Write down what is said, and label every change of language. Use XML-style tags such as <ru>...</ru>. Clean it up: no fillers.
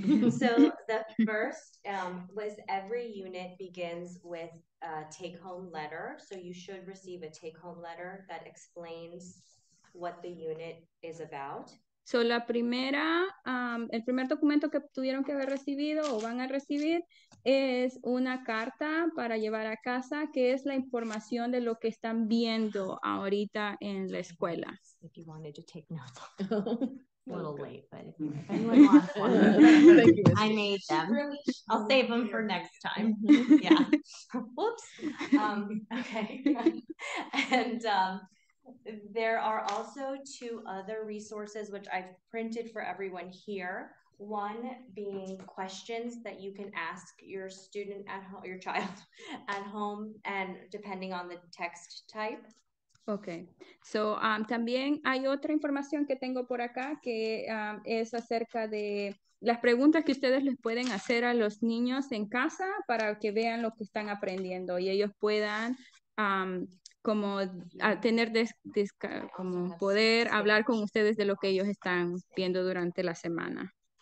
<en>So the first was every unit begins with a take-home letter. So you should receive a take-home letter that explains what the unit is about.</en> <es>So la primera, el primer documento que tuvieron que haber recibido o van a recibir es una carta para llevar a casa, que es la información de lo que están viendo ahorita en la escuela.</es> <en>If you wanted to take notes. A little late, but if anyone wants one, thank you, I made them. I'll save them for next time. Yeah. Whoops. Okay. And there are also two other resources which I've printed for everyone here. One being questions that you can ask your student at home, your child at home, and depending on the text type.</en> <es>Okay, so también hay otra información que tengo por acá que es acerca de las preguntas que ustedes les pueden hacer a los niños en casa para que vean lo que están aprendiendo y ellos puedan como poder hablar con ustedes de lo que ellos están viendo durante la semana.</es>